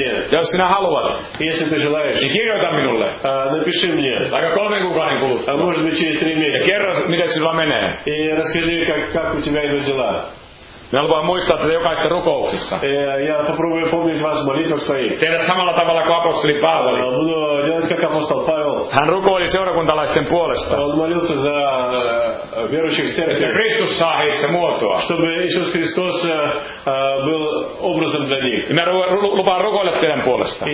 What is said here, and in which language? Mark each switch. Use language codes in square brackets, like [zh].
[fi] Jos sinä haluat, niin kirjoita minulle. [ru] Napiši mne. [fi] Aika 3 kuukauden kuluttua. Ja kerro, miten sinulla menee. [ru] И расскажи, как у тебя идут дела. [fi] Minä lupaan muistaa teitä jokaisessa rukouksessa. Ja [ru] попробую помнить вас молитвой. [fi] Tehdä samalla tavalla kuin apostoli Paavali. [ru] Буду делать как апостол Павел. [fi] Hän rukoili seurakuntalaisten puolesta. [ru] Он молился за верующих в церкви. [fi] Että Kristus saa heissä muotoa. [ru] Чтобы Иисус Христос был образом для них. [fi] Minä lupaan rukoilla teidän puolesta.